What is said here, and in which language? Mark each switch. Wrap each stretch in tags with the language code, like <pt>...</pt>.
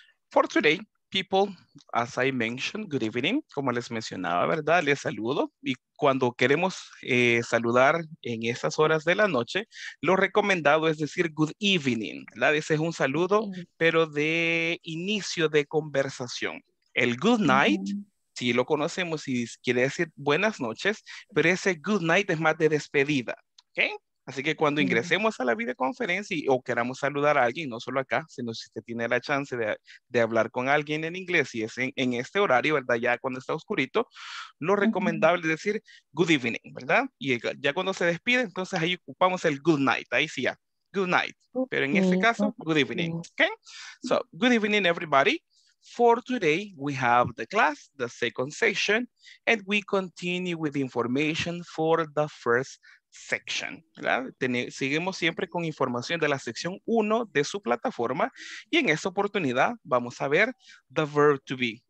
<en>For today, people, as I mentioned, good evening.</en> <es>Como les mencionaba, ¿verdad? Les saludo. Y cuando queremos saludar en esas horas de la noche, lo recomendado es decir good evening. Ese es un saludo, pero de inicio de conversación. El good night, sí lo conocemos y quiere decir buenas noches, pero ese good night es más de despedida, ¿ok? Así que cuando ingresemos a la videoconferencia o queramos saludar a alguien, no solo acá, sino si usted tiene la chance de hablar con alguien en inglés y es en este horario, ¿verdad? Ya cuando está oscurito, lo recomendable es decir good evening, ¿verdad? Y ya cuando se despide, entonces ahí ocupamos el good night, ahí sí ya, good night. Pero en este caso,</es> <en>good evening, ¿ok? So, good evening everybody. For today, we have the class, the second session, and we continue with information for the first section.</en> <es>Seguimos siempre con información de la sección 1 de su plataforma, y en esta oportunidad vamos a ver the verb to be.</es>